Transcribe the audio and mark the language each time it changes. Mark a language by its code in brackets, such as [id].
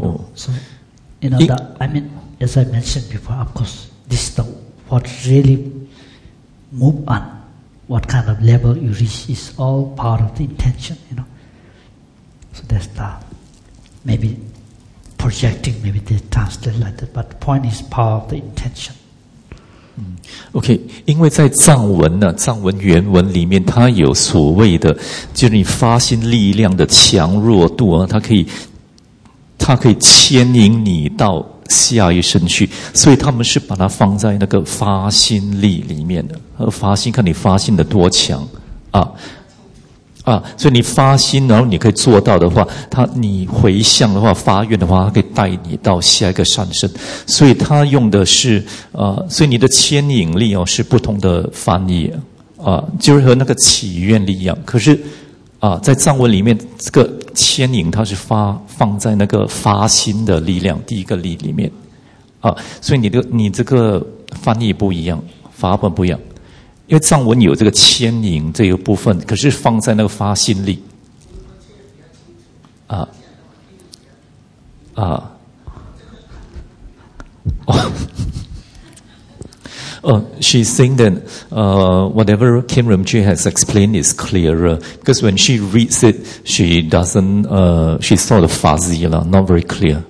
[en] You know, so, you know, as I mentioned before, of course, this is the, what really move on, what kind of level you reach is all part of the intention, you know. So that's the, maybe projecting, maybe they translate like that, but the point is power of the intention. [zh] OK, 因为在藏文呢、啊，藏文原文里面它有所谓的就是你发心力量的强弱度、啊、它可以牵引你到下一生去，所以他们是把它放在那个发心力里面的，而发心看你发心的多强啊。啊，所以你发心，然后你可以做到的话，你回向的话，发愿的话，它可以带你到下一个善生。所以它用的是所以你的牵引力哦是不同的翻译就是和那个祈愿力一样。可是在藏文里面，这个牵引它是放在那个发心的力量第一个力里面所以你这个翻译不一样，法本不一样。因为藏文有这个牵引这个部分，可是放在那个发心力 [en] she's saying that whatever Kim Rimchi has explained is clearer, because when she reads it, she doesn't, she's sort of fuzzy, not very clear.